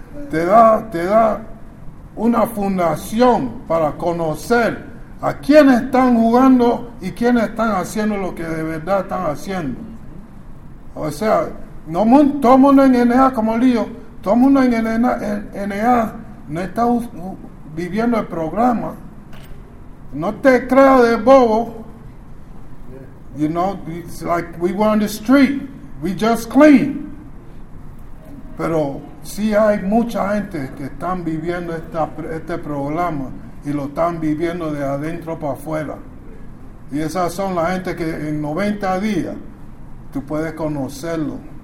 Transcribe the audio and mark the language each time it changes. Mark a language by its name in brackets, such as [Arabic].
[Spanish] Te da una fundación para conocer a quiénes están jugando y quiénes están haciendo lo que de verdad están haciendo. O sea, no, todo el mundo en NA como lío, todo el mundo en NA no está viviendo el programa. No te creas de bobo. [English] You know, it's like we were on the street. We just clean. [Spanish] Pero sí hay mucha gente que están viviendo este programa y lo están viviendo de adentro para afuera. Y esas son la gente que en 90 días tú puedes conocerlo.